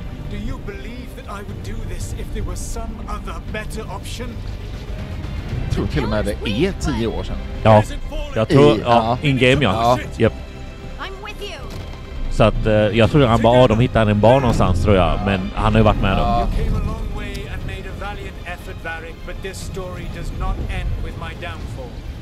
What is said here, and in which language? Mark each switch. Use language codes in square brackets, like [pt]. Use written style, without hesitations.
[en] Do you believe that I would do this if there was some other better option? [sv] Jag tror till och med det är 10 år sedan. Ja, jag tror in-game, ja. Yep. Så att jag tror att han bara, de hittade en bar någonstans, tror jag. Men han har ju varit med dem. [en] You came a long way and made a valiant effort, Varric, but this story does not end with my downfall.